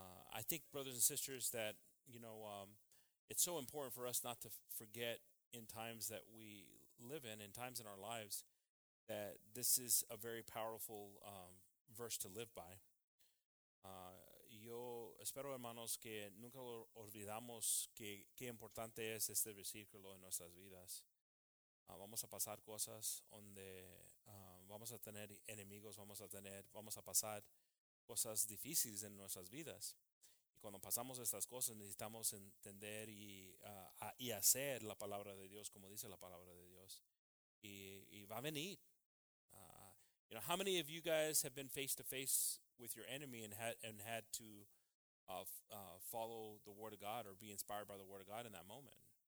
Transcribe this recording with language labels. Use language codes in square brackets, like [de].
[en] I think, brothers and sisters, that, you know, it's so important for us not to forget in times that we live in times in our lives, that this is a very powerful verse to live by. [es] Yo espero, hermanos, que nunca olvidamos qué importante es este versículo en nuestras vidas. Vamos a pasar cosas donde vamos a tener enemigos, vamos a pasar cosas difíciles en nuestras vidas. Y cuando pasamos estas cosas necesitamos entender y hacer la palabra de Dios, como dice la palabra de Dios. Y va a venir. [en] You know, how many of you guys have been face to face with your enemy and had to follow the word of God or be inspired by the word of God in that moment?